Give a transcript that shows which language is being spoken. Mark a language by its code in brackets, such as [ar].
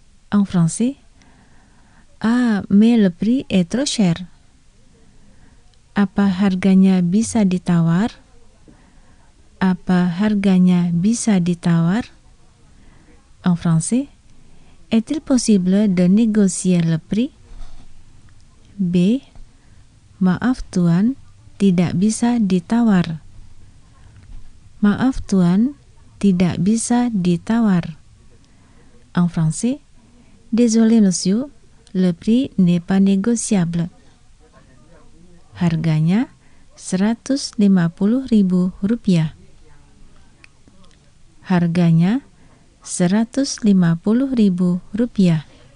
[fr] En français, ah, mais le prix est trop cher. [id] Apa harganya bisa ditawar? Apa harganya bisa ditawar? [fr] En français, est-il possible de négocier le prix? B. [id] Maaf tuan, tidak bisa ditawar. Maaf tuan, tidak bisa ditawar. [fr] En français, désolé monsieur, le prix n'est pas négociable. [id] Harganya 150 ribu rupiah. Harganya 150 ribu rupiah.